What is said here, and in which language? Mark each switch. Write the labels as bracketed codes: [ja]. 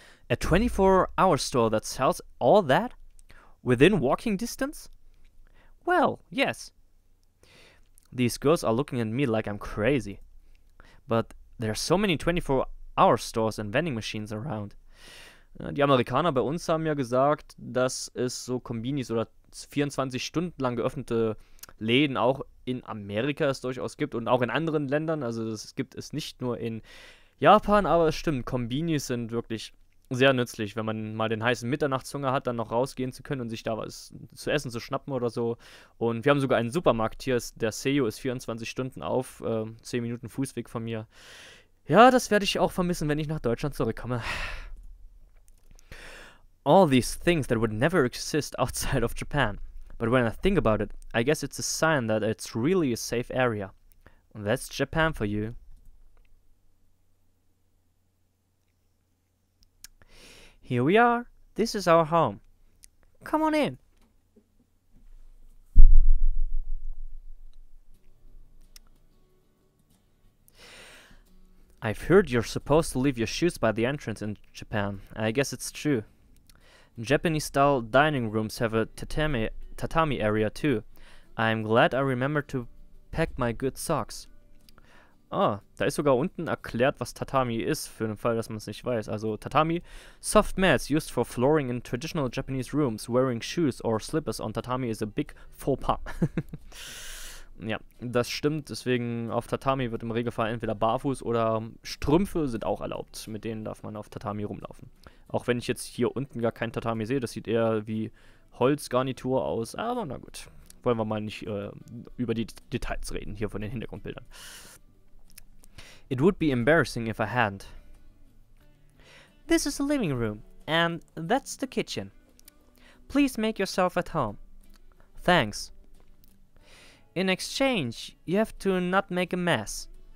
[en] A 24-hour store that sells all that? Within walking distance? Well, yes. These girls are looking at me like I'm crazy. But there are so many 24-hour stores and vending machines around. [de] Die Amerikaner bei uns haben ja gesagt, dass es so Konbinis oder 24 Stunden lang geöffnete Läden auch in Amerika es durchaus gibt und auch in anderen Ländern. Also es gibt es nicht nur in Japan, aber es stimmt, Konbinis sind wirklich sehr nützlich, wenn man mal den heißen Mitternachtshunger hat, dann noch rausgehen zu können und sich da was zu essen zu schnappen oder so. Und wir haben sogar einen Supermarkt hier, der Seiyo ist 24 Stunden auf, 10 Minuten Fußweg von mir. Ja, das werde ich auch vermissen, wenn ich nach Deutschland zurückkomme. [en] All these things that would never exist outside of Japan. But when I think about it, I guess it's a sign that it's really a safe area. That's Japan for you. Here we are. This is our home. Come on in. I've heard you're supposed to leave your shoes by the entrance in Japan. I guess it's true. Japanese-style dining rooms have a tatami area too. I'm glad I remember to pack my good socks. [de] Ah, da ist sogar unten erklärt, was Tatami ist, für den Fall, dass man es nicht weiß. [en] Also Tatami, soft mats used for flooring in traditional Japanese rooms, wearing shoes or slippers on Tatami is a big faux pas. [de] Ja, das stimmt, deswegen auf Tatami wird im Regelfall entweder barfuß oder Strümpfe sind auch erlaubt, mit denen darf man auf Tatami rumlaufen. Auch wenn ich jetzt hier unten gar kein Tatami sehe, das sieht eher wie Holzgarnitur aus, aber na gut. Wollen wir mal nicht über die Details reden, hier von den Hintergrundbildern. [en] It would be embarrassing if I hadn't. This is the living room, and that's the kitchen. Please make yourself at home. Thanks. In exchange, you have to not make a mess.